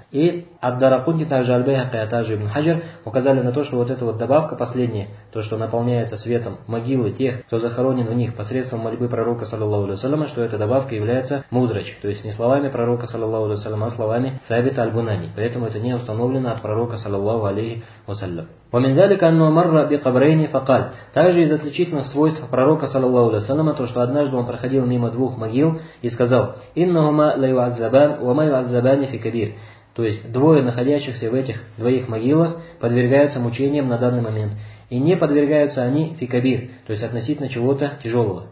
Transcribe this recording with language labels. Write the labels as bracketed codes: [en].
[ru] И Ад-Дарқутни, также Аль-Байхақи, а также Ибн Хаджар указали на то, что вот эта вот добавка последняя, то, что наполняется светом могилы тех, кто захоронен в них посредством мольбы пророка, саллаллаху алейхи ва саллям, что эта добавка является мудрач, то есть не словами пророка, саллаллаху алейхи ва саллям, а словами Сабита аль-Бунани. Поэтому это не установлено от пророка, саллаллаху алейхи ва саллям. [ar] ومن ذلك أنه مر بقبرين فقال. [ru] Также из отличительных свойств пророка саллаллаху алейхи ва саллям то, что однажды он проходил мимо двух могил и сказал: [ar] "Иннахума ла юъазабан ва ма юъазабан фи кабир". [ru] То есть двое находящихся в этих двоих могилах подвергаются мучениям на данный момент, и не подвергаются они фи кабир, то есть относительно чего-то тяжелого.